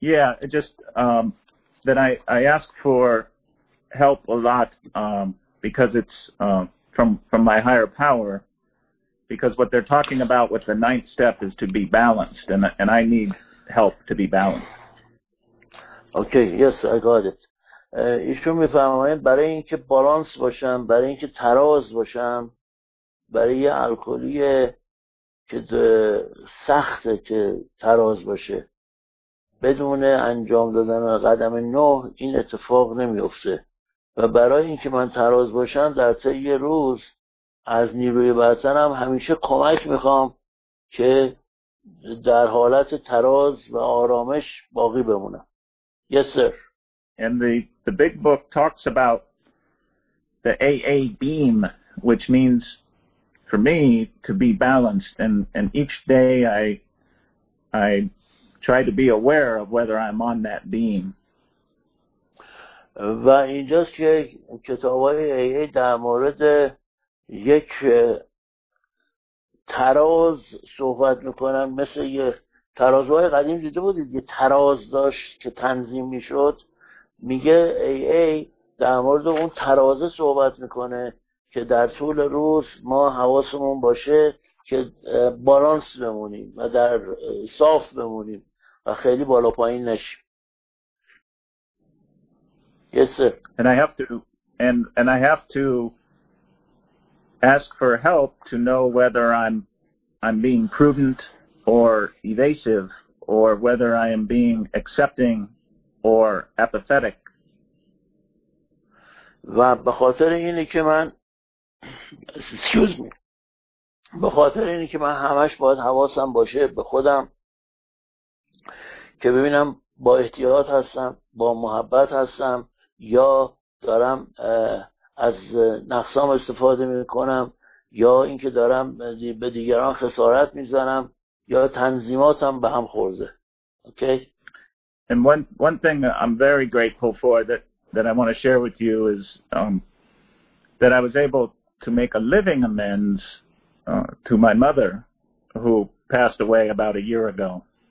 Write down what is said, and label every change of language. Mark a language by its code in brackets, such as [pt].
[en] Yeah, I ask for help a lot because it's from my higher power, because what they're talking about with the ninth step is to be balanced, and I need help to be balanced. Okay, yes, I got it. [fa] ایشون می فهمن برای اینکه بالانس باشم، برای اینکه تراز باشم، برای یه الکلی که سخته که تراز باشه بدون انجام دادن قدم 9 این اتفاق نمیفته، و برای اینکه من تراز باشم در طی یه روز از نیروی برترم همیشه کمک میخوام که در حالت تراز و آرامش باقی بمونم. [en] Yes, sir. And the Big Book talks about the AA beam, which means for me to be balanced, and each day I try to be aware of whether I'm on that beam. [fa] و اینجاست که کتابای AA در مورد یک تراز صحبت میکنن، مثل یه ترازوهای قدیم دیده بودید یه تراز داشت که تنظیم میشد. میگه AA در مورد اون ترازه صحبت میکنه که در طول روز ما حواسمون باشه که بالانس بمونیم و در صاف بمونیم و خیلی بالا پایین نشیم. [en] Yes, sir. And I have to ask for help to know whether I'm being prudent or evasive, or whether I am being accepting or apathetic. [fa] و به خاطر اینی که من به خاطر اینی که من همش باید حواسم باشه به خودم که ببینم با احتیاط هستم، با محبت هستم، یا دارم از نقصام استفاده میکنم، یا اینکه دارم به دیگران خسارت میزنم، یا تنظیماتم به هم خورده. اوکی. [en] And one thing I'm very grateful for that I want to share with you is that I was able to make a living amends to my mother, who passed away about a year ago.